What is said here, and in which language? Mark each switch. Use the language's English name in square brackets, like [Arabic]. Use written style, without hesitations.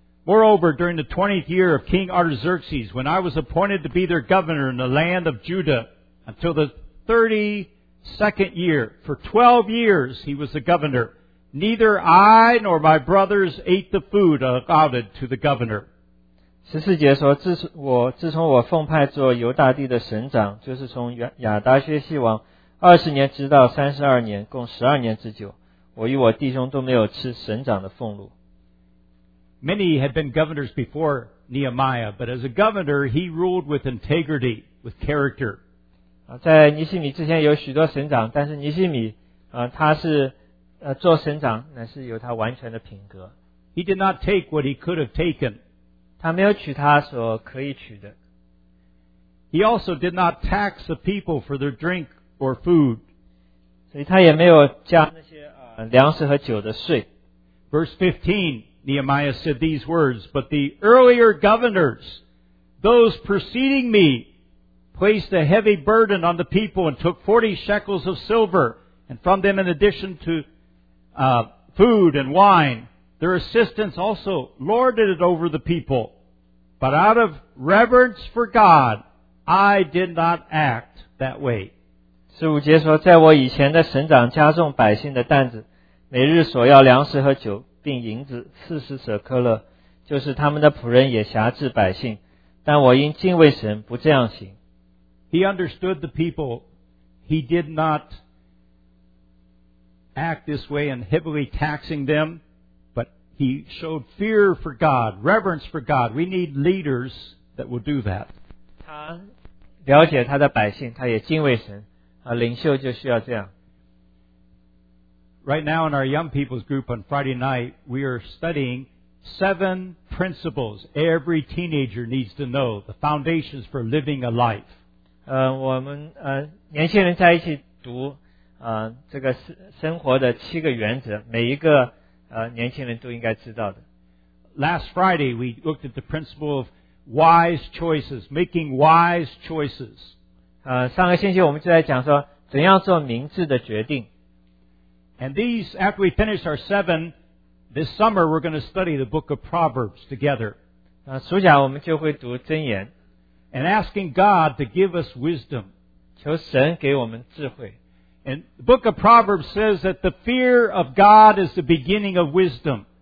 [English] Moreover, during the 20th year of King Artaxerxes, when I was appointed to be their governor in the land of Judah, until the 32nd year, for 12 years he was the governor. Neither I nor my brothers ate the food allotted to the governor. [Chinese] 14节说，自从我奉派做犹大地的省长，就是从亚达薛西王20年直到32年，共12年之久，我与我弟兄都没有吃省长的俸禄。 [English] Many had been governors before Nehemiah, but as a governor, he ruled with integrity, with character. [Chinese] 在尼希米之前有许多省长，但是尼希米他是做省长，乃是有他完全的品格。 [English] He did not take what he could have taken. [Chinese] 他没有取他所可以取的。 [English] He also did not tax the people for their drink or food. [Chinese] 所以他也没有加那些粮食和酒的税。 [English] Verse 15. Nehemiah said these words, but the earlier governors, those preceding me, placed a heavy burden on the people and took 40 shekels of silver, and from them in addition to food and wine, their assistants also lorded it over the people. But out of reverence for God, I did not act that way. [Chinese] 15节说，在我以前的省长加重百姓的担子，每日索要粮食和酒。并银子四十舍客勒，就是他们的仆人也辖制百姓，但我因敬畏神不这样行。 [English] He understood the people. He did not act this way and heavily taxing them, but he showed fear for God, reverence for God. We need leaders that will do that. [Chinese] 他了解他的百姓，他也敬畏神，领袖就需要这样。 [English] Right now in our young people's group on Friday night, we are studying seven principles every teenager needs to know, the foundations for living a life. [Chinese] 我们年轻人在一起读这个生活的七个原则，每一个年轻人都应该知道的。 [English] Last Friday, we looked at the principle of wise choices, making wise choices. [Chinese] 上个星期我们就在讲说怎样做明智的决定。 [English] And these, after we finish our seven, this summer we're going to study the book of Proverbs together. [Chinese] 暑假我们就会读箴言。 [English] And asking God to give us wisdom. [Chinese] 求神给我们智慧。 [English] And the book of Proverbs says that the fear of God is the beginning of wisdom.